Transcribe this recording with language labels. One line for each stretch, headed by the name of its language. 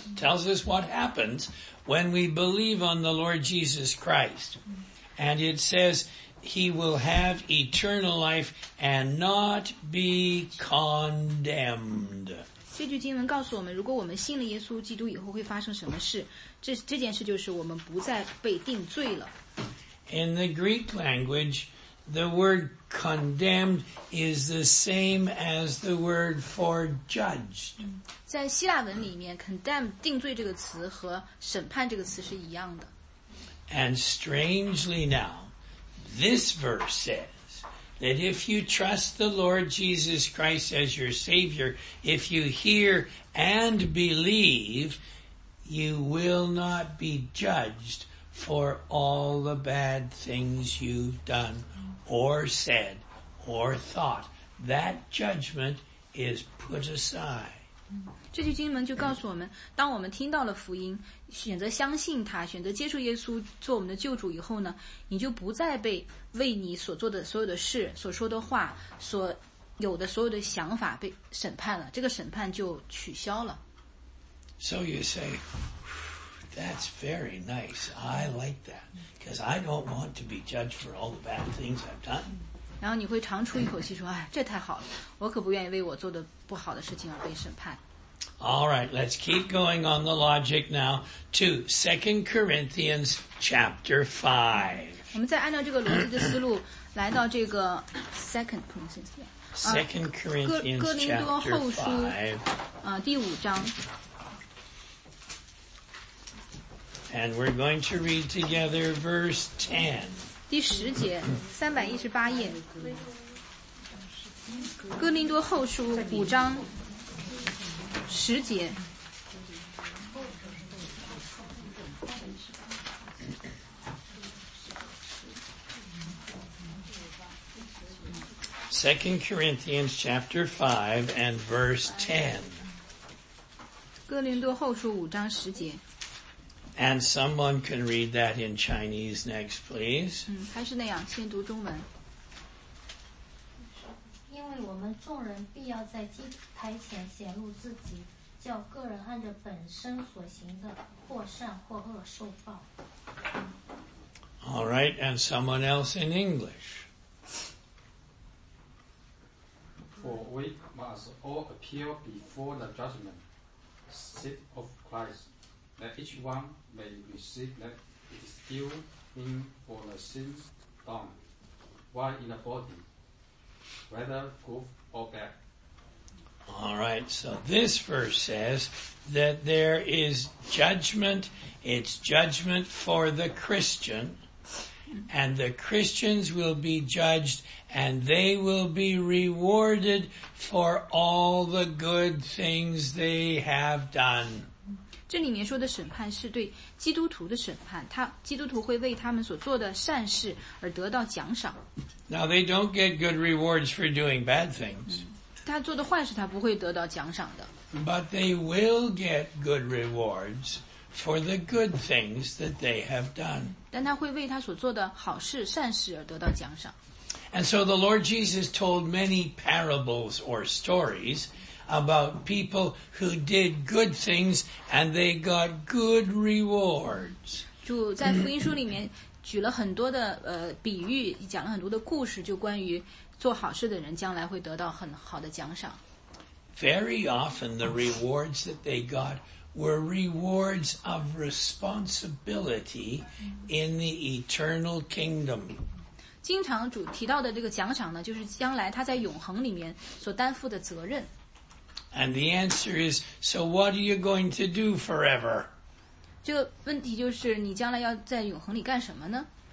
English: Tells us what happens when we believe on the Lord Jesus Christ. And it says, He will have eternal life and not be condemned.
Chinese: 这句经文告诉我们，如果我们信了耶稣基督以后会发生什么事，这件事就是我们不再被定罪了。
English: In the Greek language, the word condemned is the same as the word for judged.
Chinese: 在希腊文里面 ,condemned, 定罪这个词和审判这个词是一样的。
English: And strangely now, this verse says that if you trust the Lord Jesus Christ as your Savior, if you hear and believe, you will not be judged. For all the bad things you've done, or said, or thought, that judgment is put aside.
Chinese: 这句经文就告诉我们，当我们听到了福音，选择相信他，选择接受耶稣做我们的救主以后呢，你就不再被为你所做的所有的事、所说的话、所有的所有的想法被审判了，这个审判就取消了。
English: So you say. That's very nice. I like that. Because I don't want to be judged for all the bad things I've done.
Chinese: 然后你会长出一口气说，哎，这太好了，我可不愿意为我做的不好的事情而被审判。
English: All right, let's keep going on the logic now to 2 Corinthians chapter 5.
Chinese: 我们再按照这个逻辑的思路来到这个 2 Corinthians
English: 5.
Chinese: 第五章。
English: And we're going to read together verse 10.
Chinese: 第十节，三百一十八页，哥林多后书五章十节。
English: Second Corinthians chapter 5 and verse 10.
Chinese: 哥林多后书五章十节。
English: And someone can read that in Chinese next, please.
Chinese: 嗯，还是那样，先读中文。因为我们众人必要在祭台前显露自己，叫个人按着本身所行的，或善或恶受报。
English: All right, and someone else in English. For we must all appear before the judgment seat of Christ, that each one may receive that it is due him for the sins done, while in the body, whether good or bad. All right, so this verse says that there is judgment, it's judgment for the Christian, and the Christians will be judged and they will be rewarded for all the good things they have done.
Chinese: 这里面说的审判是对基督徒的审判，他基督徒会为他们所做的善事而得到奖赏。
English: Now they don't get good rewards for doing bad things.
Chinese: 他做的坏事他不会得到奖赏的。
English: But they will get good rewards for the good things that they have done.
Chinese: 但他会为他所做的好事善事而得到奖赏。
English: And so the Lord Jesus told many parables or stories about people who did good things and they got good rewards.
Chinese: 主在福音书里面举了很多的比喻，讲了很多的故事，就关于做好事的人将来会得到很好的奖赏。
English: Very often the rewards that they got were rewards of responsibility in the eternal kingdom.
Chinese: 经常主提到的这个奖赏呢，就是将来他在永恒里面所担负的责任。
English: And the answer is, so what are you going to do forever?
Chinese: 这个问题就是你将来要在永恒里干什么呢？